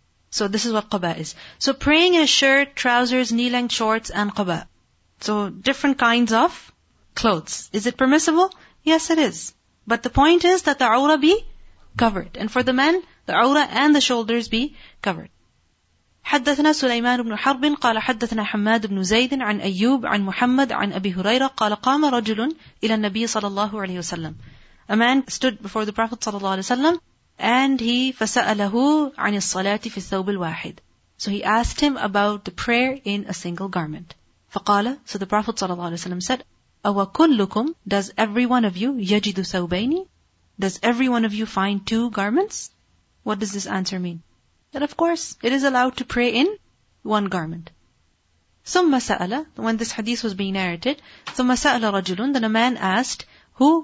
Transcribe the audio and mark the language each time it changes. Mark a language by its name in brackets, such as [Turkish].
[English] So this is what qaba is. So praying in a shirt, trousers, knee-length shorts, and qaba. So different kinds of clothes. Is it permissible? Yes, it is. But the point is that the awra be covered. And for the men, the awra and the shoulders be covered. [Arabic] حدثنا سليمان بن حرب قال حدثنا حماد بن زيد عن أيوب عن محمد عن أبي هريرة قال قام رجل إلى النبي صلى الله عليه وسلم. [English] A man stood before the Prophet صلى الله عليه وسلم and he [Arabic] فسأله عن الصلاة في الثوب الواحد. [English] So he asked him about the prayer in a single garment. فقال, so the Prophet صلى الله عليه وسلم said, [Arabic] أَوَكُلُّكُمْ, [English] does every one of you [Arabic] يَجِدُ ثَوْبَيْنِ, [English] does every one of you find two garments? What does this answer mean? That of course, it is allowed to pray in one garment. [Arabic] ثم سأل, [English] when this hadith was being narrated, [Arabic] ثم سأل رجل, [English] then a man asked, who?